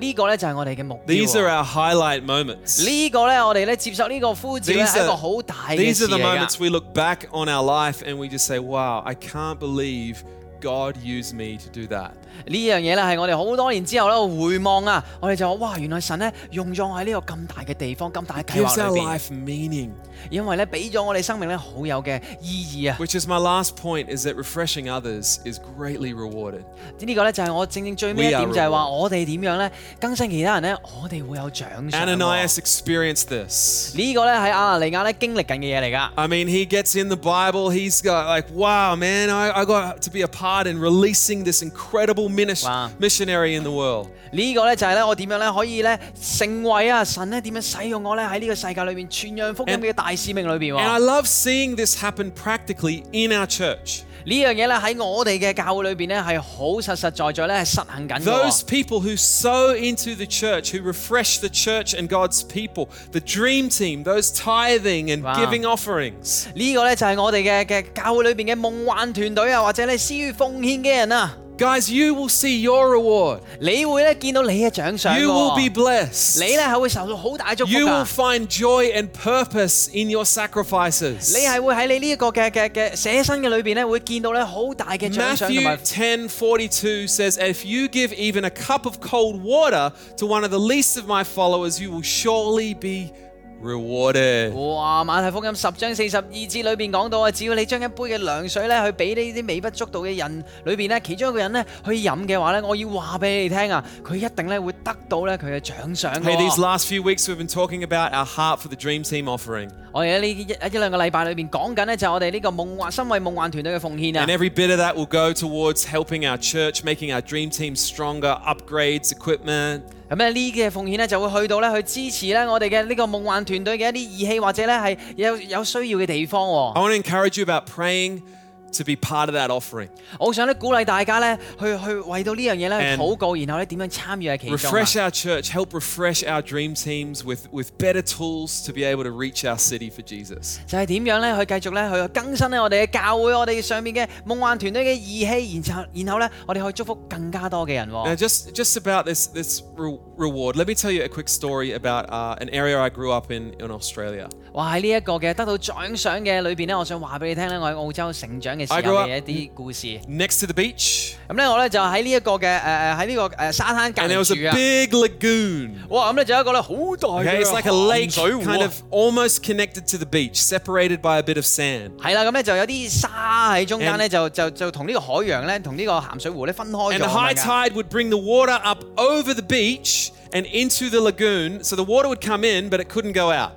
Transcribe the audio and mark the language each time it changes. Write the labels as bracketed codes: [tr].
[yue] 呢個咧就係我哋嘅目標。 [en] These are our highlight moments. [yue] 呢個咧我哋咧接受呢個呼召係一個好大嘅事。 [en] These are the moments we look back on our life and we just say, "Wow, I can't believe God used me to do that." [yue] 呢樣嘢咧係我哋好多年之後咧回望啊，我哋就話：哇，原來神咧用咗喺呢個咁大嘅地方、咁大嘅計劃裏邊。 [en] Gives our life meaning， [yue] 因為咧俾咗我哋生命咧好有嘅意義啊。 [en] Which is my last point is that refreshing others is greatly rewarded。 [yue] 呢個咧就係我正正最尾一點，就係話我哋點樣咧更新其他人咧，我哋會有獎賞。 [en] Ananias experienced this。 [yue] 呢個咧喺亞拿尼亞咧經歷緊嘅嘢嚟㗎。 [en] I mean, he gets in the Bible. He's got like, wow, man, I got to be a part in releasing this incredible missionary in the world. [yue] 呢個咧就係咧，我點樣咧可以咧成為啊神咧點樣使用我咧喺呢個世界裏邊傳揚福音嘅大使命裏邊喎。 [en] And I love seeing this happen practically in our church. [yue] 呢樣嘢咧喺我哋嘅教會裏邊咧係好實實在在咧係實行緊。 [en] Those people who sow into the church, who refresh the church and God's people, the dream team, those tithing and giving offerings. [yue] 呢個咧就係我哋嘅教會裏邊嘅夢幻團隊啊，或者咧施予奉獻嘅人啊。 [en] Guys, you will see your reward. [yue] 你會咧見到你嘅獎賞。 [en] You will be blessed. [yue] 你咧係會受到好大祝福。 [en] You will find joy and purpose in your sacrifices. [yue] 你係會喺你呢一個嘅捨身嘅裏邊咧，會見到咧好大嘅獎賞同埋。 [en] Matthew 10:42 says, "If you give even a cup of cold water to one of the least of my followers, you will surely be rewarded." [yue] 哇！馬太福音10:42裏邊講到啊，只要你將一杯嘅涼水咧去俾呢啲微不足道嘅人裏邊咧，其中一個人咧去飲嘅話咧，我要話俾你聽啊，佢一定咧會得到咧佢嘅獎賞。 [en] Hey, these last few weeks we've been talking about our heart for the Dream Team offering. [yue] 我哋喺一兩個禮拜裏邊講緊咧，就我哋呢個夢幻身為夢幻團隊嘅奉獻啊。 [en] And every bit of that will go towards helping our church, making our Dream Team stronger, upgrades, equipment. [yue] 咁咧呢嘅奉獻咧就會去到咧去支持咧我哋嘅呢個夢幻團隊嘅一啲儀器或者咧係有需要嘅地方。 [en] I want to encourage you about praying to be part of that offering。 [yue] 我想咧鼓勵大家咧去為到呢樣嘢咧禱告，然後咧點樣參與喺其中。 [en] Refresh our church, help refresh our dream teams with better tools to be able to reach our city for Jesus。 [yue] 就係點樣咧去繼續咧去更新咧我哋嘅教會，我哋上面嘅夢幻團隊嘅儀器，然後咧我哋可以祝福更加多嘅人。 [en] Now just about this reward, let me tell you a quick story about an area I grew up in Australia。 [yue] 哇！喺呢一個嘅得到獎賞嘅裏邊咧，我想話俾你聽咧，我喺澳洲成長。 [en] I grew up next to the beach. [yue] 咁咧，我咧就喺呢一個嘅喺呢個沙灘隔離住啊。 [en] And there was a big lagoon. [yue] 哇！咁咧就有一個咧好大嘅 [en] ，it's like a lake, kind of almost connected to the beach, separated by a bit of sand. [yue] 係啦，咁咧就有啲沙喺中間咧，就同呢個海洋咧，同呢個鹹水湖咧分開咗。 [en] And the high tide would bring the water up over the beach. And into the lagoon, so the water would come in, but it couldn't go out.